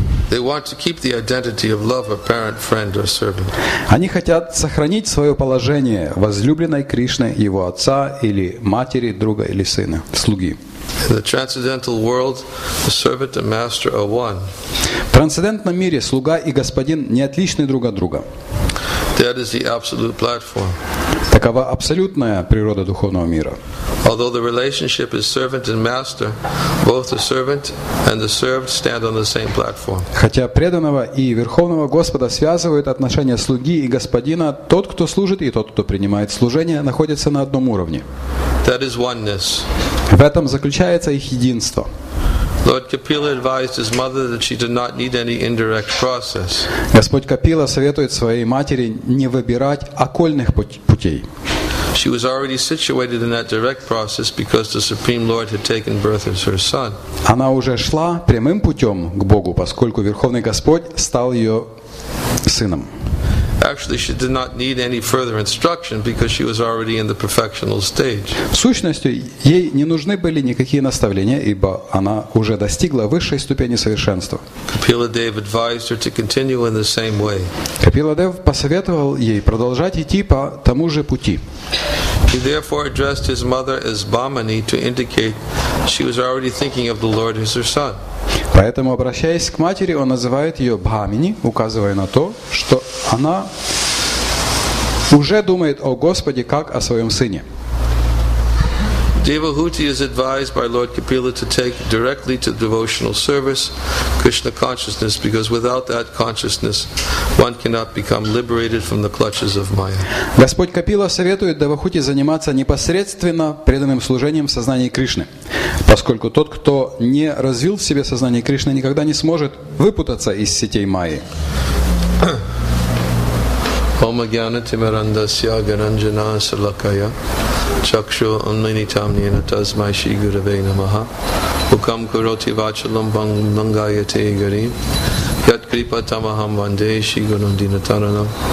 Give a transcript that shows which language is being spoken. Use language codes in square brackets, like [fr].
[en] They want to keep the identity of lover, parent, friend or servant. [ru] Они хотят сохранить своё положение возлюбленной Кришны, его отца или матери, друга или сына, слуги. [en] In the transcendental world, the servant and master are one. [ru] В трансцендентном мире слуга и господин не отличны друг от друга. [en] That is the absolute platform. [ru] Такова абсолютная природа духовного мира. [en] Although the relationship is servant and master, both the servant and the served stand on the same platform. [ru] Хотя преданного и Верховного Господа связывают отношения слуги и господина, тот, кто служит, и тот, кто принимает служение, находятся на одном уровне. [en] That is oneness. [ru] В этом заключается их единство. [en] Lord Kapila advised his mother that she did not need any indirect process. [ru] Господь Капила советует своей матери не выбирать окольных путей. [en] She was already situated in that direct process because the Supreme Lord had taken birth as her son. [ru] Она уже шла прямым путем к Богу, поскольку Верховный Господь стал ее сыном. [en] Actually, she did not need any further instruction because she was already in the perfectional stage. [ru] В сущности, ей не нужны были никакие наставления, ибо она уже достигла высшей ступени совершенства. [en] Kapila Dev advised her to continue in the same way. [ru] Kapila Dev посоветовал ей продолжать идти по тому же пути. [en] He therefore addressed his mother as Bhamani to indicate she was already thinking of the Lord as her son. [ru] Поэтому, обращаясь к матери, он называет ее Бхамини, указывая на то, что она уже думает о Господе как о своем сыне. [en] Devahuti is advised by Lord Kapila to take directly to devotional service, Krishna consciousness, because without that consciousness, one cannot become liberated from the clutches of Maya. [ru] Господь Капила советует Девахути заниматься непосредственно преданным служением в сознании Кришны, поскольку тот, кто не развил в себе сознание Кришны, никогда не сможет выпутаться из сетей Майи. [sa] Ом агьяна тимирандасья гаранджана салакая чакшу унминитам нена тасмай шри гуравей намаха укам куроти вачалам вангангайате гарим ят крипа тамахам ванде шри гурун динатаранам